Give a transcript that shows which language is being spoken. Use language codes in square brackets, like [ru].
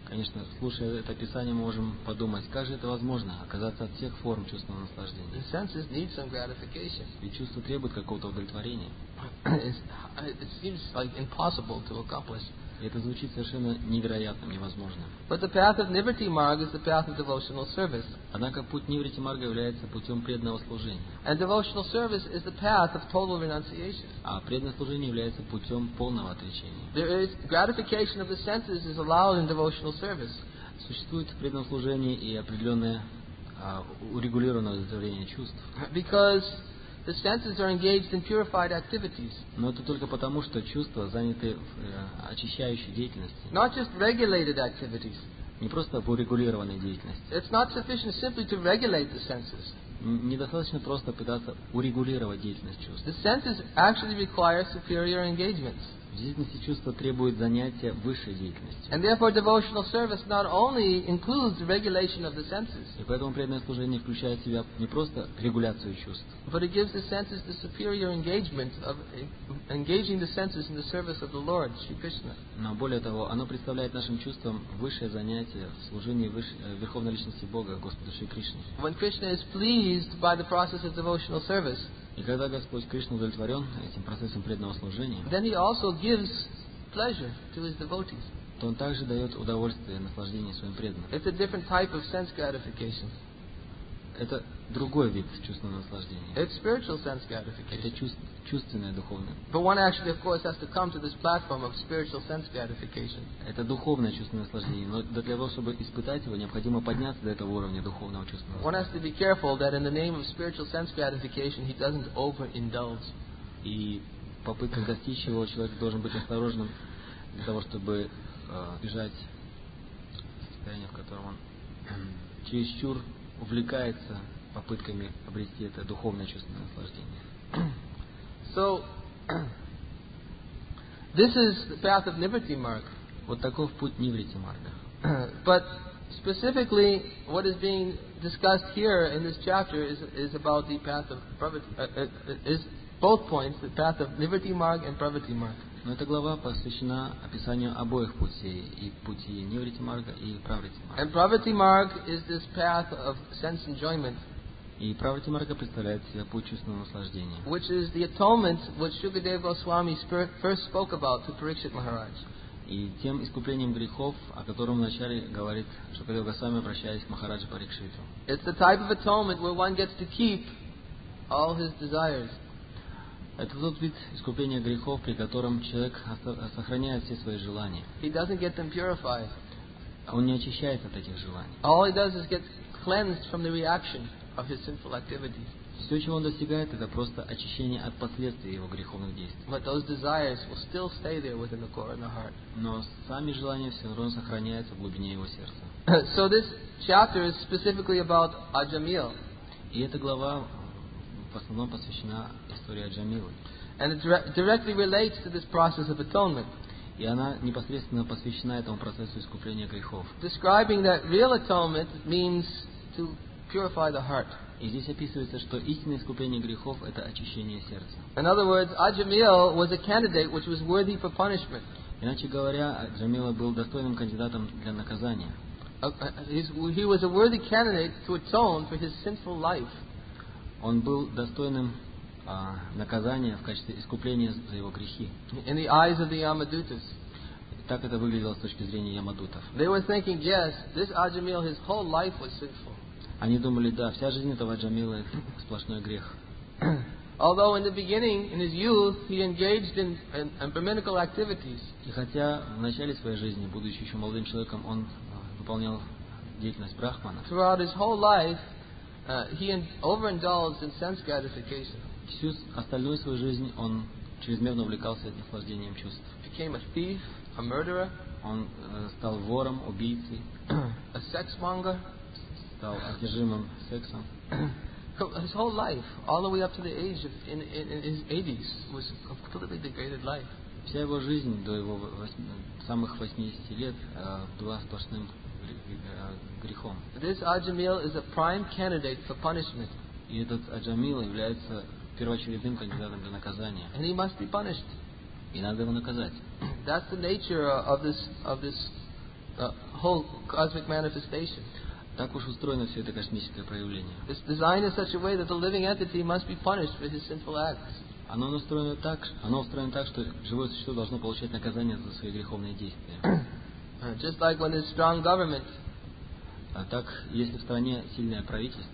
[ru] Конечно, слушая это описание, можем подумать, как же это возможно, отказаться от всех форм чувственного наслаждения? [en] The senses need some gratification. [ru] Ведь чувства требуют какого-то удовлетворения. [en] It seems like impossible to accomplish. [ru] Это звучит совершенно невероятным, невозможным. [en] But the path of Nivritti Marga is the path of devotional service. [ru] Однако путь Нивритти Марга является путем преданного служения. [en] And devotional service is the path of total renunciation. [ru] А преданное служение является путем полного отречения. [en] There is gratification of the senses is allowed in devotional service. [ru] Существует в преданном служении и определенное урегулированное удовлетворение чувств. [en] Because the senses are engaged in purified activities. [ru] Но это только потому, что чувства заняты в очищающей деятельности. [en] Not just regulated activities. [ru] Не просто в урегулированной деятельности. [en] It's not sufficient simply to regulate the senses. [ru] Недостаточно просто пытаться урегулировать деятельность чувств. [en] The senses actually require superior engagements. [ru] В деятельности чувства требуют занятия высшей деятельностью. [en] And therefore, devotional service not only includes regulation of the senses. [ru] И поэтому преданное служение включает в себя не просто регуляцию чувств. [en] But it gives the senses the superior engagement of engaging the senses in the service of the Lord, Shri Krishna. [ru] Но более того, оно представляет нашим чувствам высшее занятие в служении Верховной Личности Бога, Господа Шри Кришны. [en] When Krishna is pleased by the process of devotional service, [ru] и когда Господь Кришна удовлетворен этим процессом преданного служения, [en] then he also gives pleasure to his devotees. [ru] То он также дает удовольствие и наслаждение своим преданным. [en] It's a different type of sense gratification. [ru] Это другой вид чувственного наслаждения. [en] It's spiritual sense gratification. [ru] Это чувственное, духовное. [en] But one actually, of course, has to come to this platform of spiritual sense gratification. [ru] Это духовное чувственное наслаждение. Но для того, чтобы испытать его, необходимо подняться до этого уровня духовного чувственного наслаждения. [en] One has to be careful that in the name of spiritual sense gratification he doesn't overindulge. [ru] И попытка достичь его, человек должен быть осторожным для того, чтобы избежать состояния, в котором он чересчур увлекается попытками обрести это духовное чувственное наслаждение. [en] So, this is the path of Nivritti Marga. [ru] Вот таков путь Нивритти Марга. [en] But specifically, what is being discussed here in this chapter is about the path of Pravati, is both points, the path of Nivritti Marga and Pravati Marga. [ru] Но эта глава посвящена описанию обоих путей, и пути Нивритти Марга, и Правритти Марга. [en] And Pravritti Marga is this path of sense enjoyment. [ru] И Правритти Марга представляет себя путь чувственного наслаждения. [en] Which is the atonement which Шукадева Госвами first spoke about to Парикшит Махарадж. [ru] И тем искуплением грехов, о котором вначале говорит Шукадева Госвами, обращаясь к Махараджу Парикшиту. [en] It's the type of atonement where one gets to keep all his desires. [ru] Это тот вид искупления грехов, при котором человек сохраняет все свои желания. [en] He doesn't get them purified. [ru] Он не очищается от этих желаний. [en] All he does is get cleansed from the reaction. of his sinful activities. [ru] Все, чего он достигает, это просто очищение от последствий его греховных действий. [en] But those desires will still stay there within the core of the heart. [ru] Но сами желания все равно сохраняются в глубине его сердца. [en] So this chapter is specifically about Аджамил. [ru] И эта глава в основном посвящена истории Аджамилы. [en] And it directly relates to this process of atonement. [ru] И она непосредственно посвящена этому процессу искупления грехов. [en] Describing that real atonement means to purify the heart. [ru] И здесь описывается, что истинное искупление грехов – это очищение сердца. [en] In other words, Аджамил was a candidate which was worthy for punishment. [ru] Иначе говоря, Аджамил был достойным кандидатом для наказания. [en] He was a worthy candidate to atone for his sinful life. [ru] Он был достойным наказания в качестве искупления за его грехи. [en] In the eyes of the Yamadutas. [ru] Так это выглядело с точки зрения Ямадутов. [en] They were thinking, yes, this Аджамил, his whole life was sinful. [ru] Они думали, да, вся жизнь этого Аджамила – это сплошной грех. [en] Although in the beginning, in his youth, he engaged in ecumenical activities. [ru] И хотя в начале своей жизни, будучи еще молодым человеком, он выполнял деятельность брахмана. [en] Throughout his whole life, he overindulged in sense gratification. [ru] Всю остальную свою жизнь он чрезмерно увлекался наслаждением чувств. [en] Became a thief, a murderer. [ru] Он стал вором, убийцей. [en] A sex monger. [ru] Стал одержимым сексом. [en] His whole life, all the way up to the age of in his 80s, was a completely degraded life. [ru] Вся его жизнь до его самых 80 лет была сплошным грехом. [en] This Аджамил is a prime candidate for punishment. [ru] И этот Аджамил является первоочередным кандидатом для наказания. [en] And he must be punished. [ru] И надо его наказать. [en] That's the nature of this whole cosmic manifestation. [ru] Так уж устроено все это космическое проявление. [en] This design is such a way that the living entity must be punished for his sinful acts. [ru] Оно устроено так, что живое существо должно получать наказание за свои греховные действия. [en] Just like when there's strong government. [ru] А так, если в стране сильное правительство.